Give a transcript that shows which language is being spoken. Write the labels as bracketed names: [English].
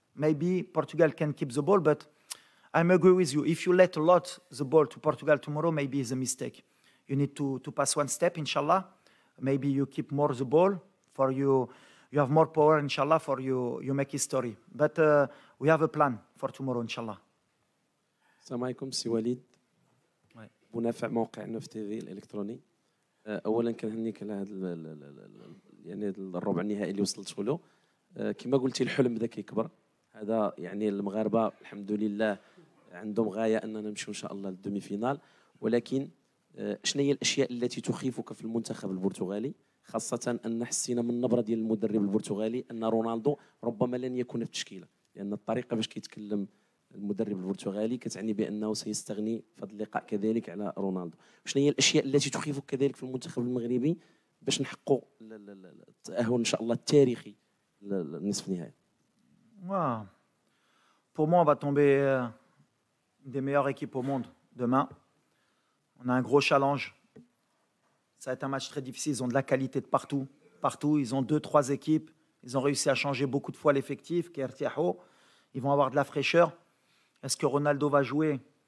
[English] Maybe Portugal can keep the ball, but I agree with you. If you let a lot the ball to Portugal tomorrow, maybe it's a mistake. You need to pass one step, inshallah. Maybe you keep more the ball for you. You have more power, inshallah, for you. You make history. But we have a plan for tomorrow, inshallah. [Arabic] Assalamu alaikum, si Walid. Bounafa, موقع 9 TV, الإلكتروني. أولا كان هنيك على هذا يعني الربع النهائي اللي وصلت له. كما قلتي الحلم بدا كيكبر. هذا يعني المغاربة الحمد لله عندهم غاية أننا نمشي إن شاء الله للدومي فينال ولكن شنو هي الأشياء التي تخيفك في المنتخب البرتغالي خاصة أن حسينا من نبرة ديال المدرب البرتغالي أن رونالدو ربما لن يكون في التشكيلة لأن الطريقة باش كيتكلم المدرب البرتغالي كتعني بأنه سيستغني في هذا اللقاء كذلك على رونالدو شنو هي الأشياء التي تخيفك كذلك في المنتخب المغربي باش نحقق التأهل إن شاء الله التاريخي للنصف النهائي [English] Wow. [French] Pour moi, on va tomber des meilleures équipes au monde demain. On a un gros challenge Ça va être un match très difficile. Ils ont de la qualité de partout. Partout, ils ont 2-3 équipes. Ils ont réussi à changer beaucoup de fois l'effectif. Ils vont avoir de la fraîcheur. Est-ce que Ronaldo va jouer?